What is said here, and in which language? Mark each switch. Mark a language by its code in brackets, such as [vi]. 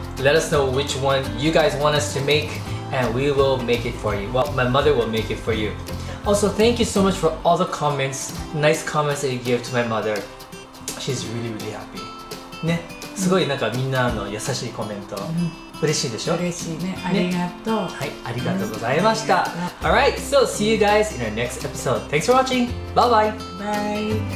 [en] Let us know which one you guys want us to make, and we will make it for you. Well, my mother will make it for you. Also, thank you so much for all the comments, nice comments that you give to my motherShe's really, really happy. [ja] ね、すごいなんかみんなの優しいコメント、うん、嬉しいでしょ。嬉しいね、ありがとう、ね、はい、ありがとうございました。 [en] Alright, so see you guys in our next episode. Thanks for watching. Bye bye.